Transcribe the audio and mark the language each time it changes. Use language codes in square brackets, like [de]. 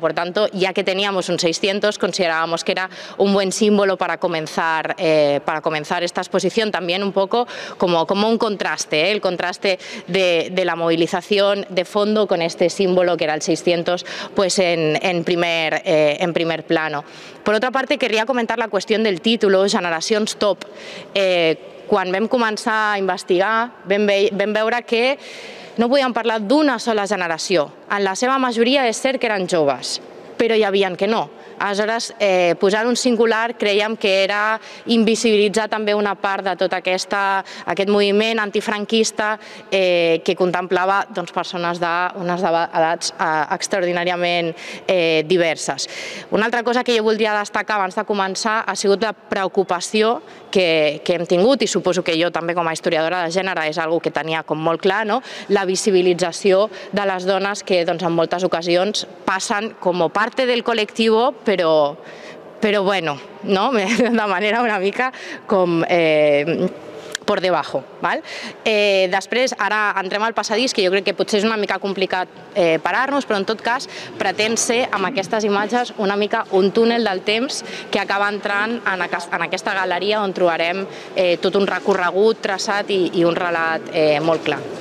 [es] Por tanto, ya que teníamos un 600, considerábamos que era un buen símbolo para comenzar esta exposición, también un poco como un contraste, ¿eh? El contraste de la movilización de fondo con este símbolo que era el 600, pues en primer plano. Por otra parte, querría comentar la cuestión del título, Generación Stop. [ca] Quan vam començar a investigar, vam veure que no podíem parlar d'una sola generació. En la seva majoria és cert que eren joves, però hi havia que no. Aleshores, posar un singular creiem que era invisibilitzar també una part de tot aquest moviment antifranquista que contemplava doncs, persones d'unes edats extraordinàriament diverses. Una altra cosa que jo voldria destacar abans de començar ha sigut la preocupació que hem tingut, i suposo que jo també com a historiadora de gènere és algo que tenia com molt clar, no? La visibilització de les dones que doncs, en moltes ocasions passen com a part del col·lectiu, però bueno, no? De manera una mica com [es] por debajo. [ca] ¿Vale? Després, ara entrem al passadís, que jo crec que potser és una mica complicat parar-nos, però en tot cas pretén ser amb aquestes imatges una mica un túnel del temps que acaba entrant en aquesta galeria on trobarem tot un recorregut traçat i un relat molt clar.